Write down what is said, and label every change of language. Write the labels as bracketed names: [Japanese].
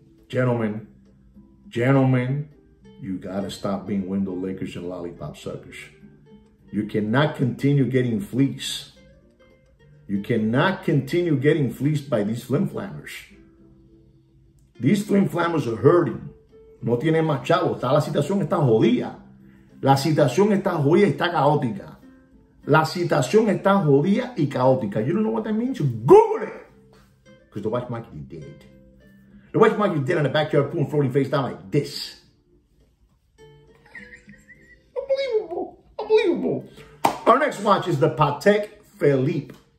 [English] Gentlemen, you got to stop being window lickers and lollipop suckers. You cannot continue getting fleeced. You cannot continue getting fleeced by these flim-flammers. These flim-flammers are hurting. [Spanish] No tienen más chavo. Está la situación, está jodida. La situación está jodida y está caótica. La situación está jodida y caótica. [English] You don't know what that means? Google it. Because the watch market is dead. The watch market is dead on the backyard pool and floating face down like this. Unbelievable. Our next watch is the Patek Philippe.